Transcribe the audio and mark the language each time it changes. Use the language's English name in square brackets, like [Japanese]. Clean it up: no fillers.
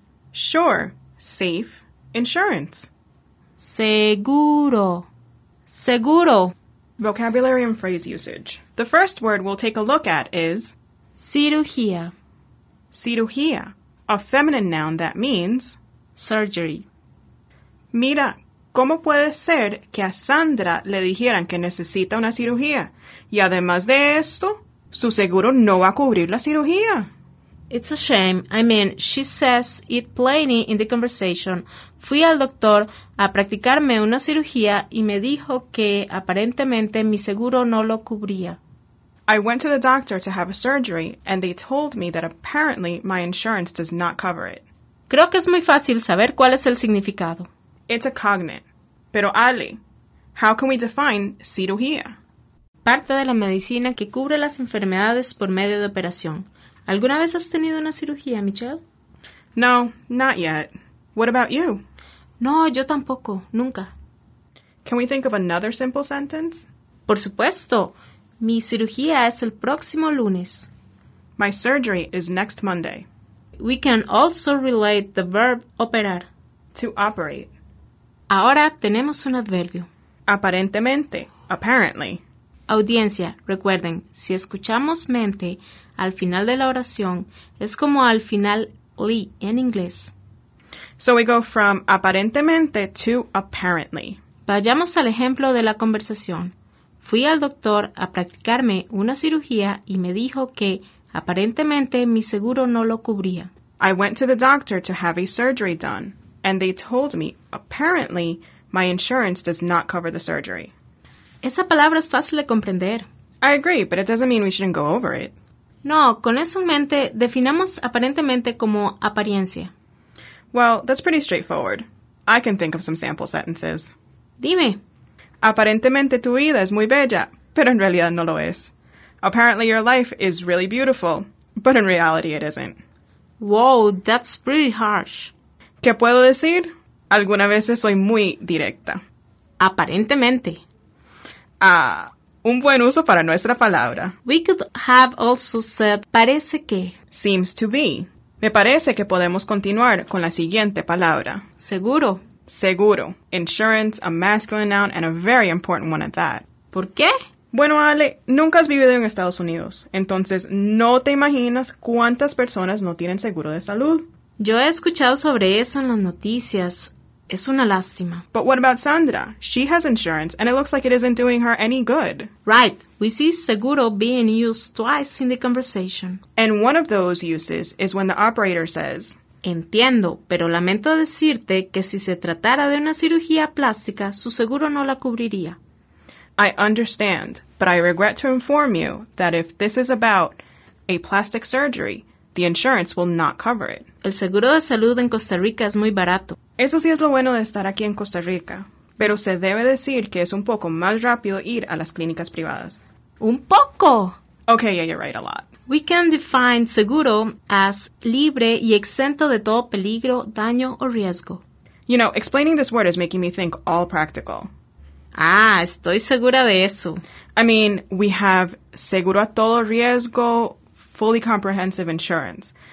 [English] Sure. Safe. Insurance. [Spanish] Seguro. Seguro. [English] Vocabulary and phrase usage. The first word we'll take a look at is... [Spanish] Cirugía. Cirugía. [English] A feminine noun that means... Surgery. [Spanish] Mira, ¿cómo puede ser que a Sandra le dijeran que necesita una cirugía? Y además de esto, su seguro no va a cubrir la cirugía. [English] It's a shame. I mean, she says it plainly in the conversation. Fui al doctor a practicarme una cirugía y me dijo que aparentemente mi seguro no lo cubría. I went to the doctor to have a surgery and they told me that apparently my insurance does not cover it. [Spanish] Creo que es muy fácil saber cuál es el significado. [English] It's a cognate. Pero Ali, how can we define cirugía? [Spanish] Parte de la medicina que cubre las enfermedades por medio de operación. ¿Alguna vez has tenido una cirugía, Michelle? [English] No, not yet. What about you? [Spanish] No, yo tampoco, nunca. [English] Can we think of another simple sentence? [Spanish] Por supuesto. Mi cirugía es el próximo lunes. [English] My surgery is next Monday. We can also relate the verb operar. To operate. [Spanish] Ahora tenemos un adverbio. Aparentemente, apparently. Audiencia, recuerden, si escuchamos mente al final de la oración, es como al final ly en inglés. [English] So we go from aparentemente to apparently. [Spanish] Vayamos al ejemplo de la conversación. Fui al doctor a practicarme una cirugía y me dijo que aparentemente mi seguro no lo cubría. [English] I went to the doctor to have a surgery done, and they told me, apparently, my insurance does not cover the surgery. [Spanish] Esa palabra es fácil de comprender. [English] I agree, but it doesn't mean we shouldn't go over it. [Spanish] No, con eso en mente, definamos aparentemente como apariencia. [English] Well, that's pretty straightforward. I can think of some sample sentences. [Spanish] Dime. Aparentemente tu vida es muy bella, pero en realidad no lo es. [English] Apparently your life is really beautiful, but in reality it isn't. Whoa, that's pretty harsh. [Spanish] ¿Qué puedo decir? Alguna vez soy muy directa. Aparentemente. Ah, un buen uso para nuestra palabra. [English] We could have also said [Spanish] parece que. [English] Seems to be. [Spanish] Me parece que podemos continuar con la siguiente palabra. Seguro. Seguro. [English] Insurance, a masculine noun, and a very important one at that. [Spanish] ¿Por qué? Bueno, Ale, nunca has vivido en Estados Unidos, entonces no te imaginas cuántas personas no tienen seguro de salud. Yo he escuchado sobre eso en las noticias. Es una lástima. [English] But what about Sandra? She has insurance, and it looks like it isn't doing her any good. Right. We see seguro being used twice in the conversation. And one of those uses is when the operator says, [Spanish] Entiendo, pero lamento decirte que si se tratara de una cirugía plástica, su seguro no la cubriría. [English] I understand, but I regret to inform you that if this is about a plastic surgery, the insurance will not cover it. [Spanish] El seguro de salud en Costa Rica es muy barato. Eso sí es lo bueno de estar aquí en Costa Rica, pero se debe decir que es un poco más rápido ir a las clínicas privadas. ¡Un poco! [English] Okay, yeah, you're right, a lot. We can define seguro as [Spanish] libre y exento de todo peligro, daño o riesgo. [English] You know, explaining this word is making me think all practical. [Spanish] Ah, estoy segura de eso. [English] I mean, we have [Spanish] seguro a todo riesgo, [English] fully comprehensive insurance.